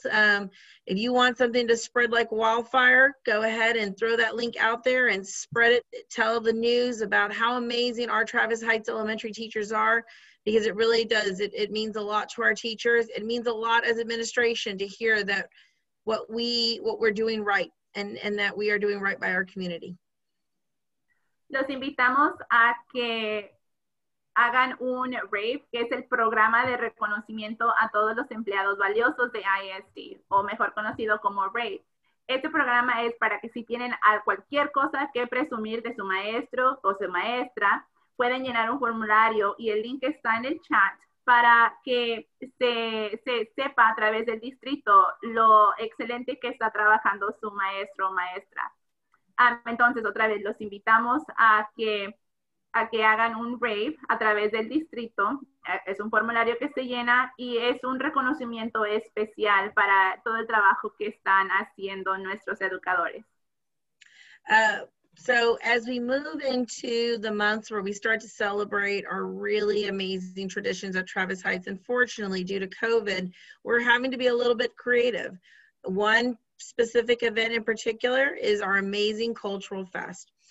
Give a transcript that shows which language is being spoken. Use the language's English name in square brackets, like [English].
[English] If you want something to spread like wildfire, go ahead and throw that link out there and spread it. Tell the news about how amazing our Travis Heights Elementary teachers are, because it really does. It means a lot to our teachers. It means a lot as administration to hear that what we're doing right and that we are doing right by our community. [Spanish] Los invitamos a que hagan un RAVE, que es el programa de reconocimiento a todos los empleados valiosos de ISD, o mejor conocido como RAVE. Este programa es para que si tienen cualquier cosa que presumir de su maestro o su maestra, pueden llenar un formulario y el link está en el chat para que se sepa a través del distrito lo excelente que está trabajando su maestro o maestra. Entonces, otra vez, los invitamos a que hagan un RAVE a través del distrito. Es un formulario que se llena y es un reconocimiento especial para todo el trabajo que están haciendo nuestros educadores. [English] So as we move into the months where we start to celebrate our really amazing traditions at Travis Heights, unfortunately, due to COVID, we're having to be a little bit creative. One specific event in particular is our amazing cultural fest.